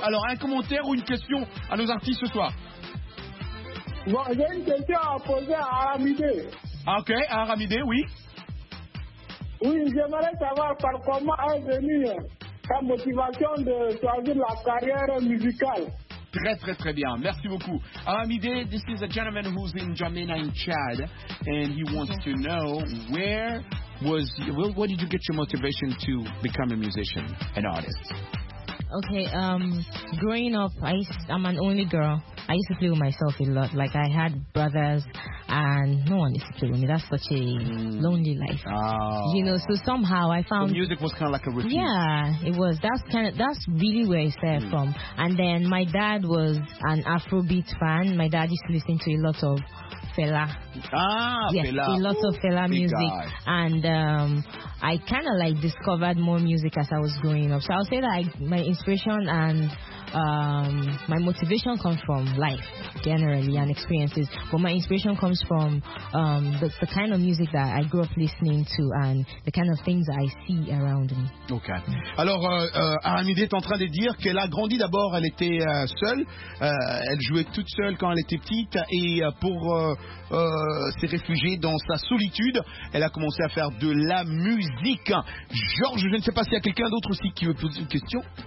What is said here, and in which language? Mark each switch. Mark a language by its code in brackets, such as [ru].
[fr] Alors, un commentaire ou une question à nos artistes ce soir? Bon, j'ai une question à poser à Aramidé. Ah, ok, à Aramidé, oui. Oui, j'aimerais savoir par comment est venue ta motivation de choisir la carrière musicale. Très, très, très bien. Merci beaucoup. [en] Aramidé, this is a gentleman who's in Jamena in Chad, and he wants to know where was, where did you get your motivation to become a musician, an artist? Okay, growing up, I'm an only girl. I used to play with myself a lot. Like, I had brothers, and no one used to play with me. That's such a lonely life. Oh. You know, so somehow I found... The music was kind of like a routine. Yeah, it was. That's really where it started from. And then my dad was an Afrobeat fan. My dad used to listen to a lot of Fela. Ah, yes, Fela. Yes, a lot of Fela music. And I kind of, like, discovered more music as I was growing up. So I'll say that my inspiration and... my motivation comes from life generally and experiences, but my inspiration comes from the kind of music that I grew up listening to and the kind of things that I see around me. Okay. [fr] Alors, Aramidé est en train de dire qu'elle a grandi d'abord, elle était seule, elle jouait toute seule quand elle était petite, et pour s'est réfugiée dans sa solitude, elle a commencé à faire de la musique. Georges, je ne sais pas s'il y a quelqu'un d'autre aussi qui veut poser une question.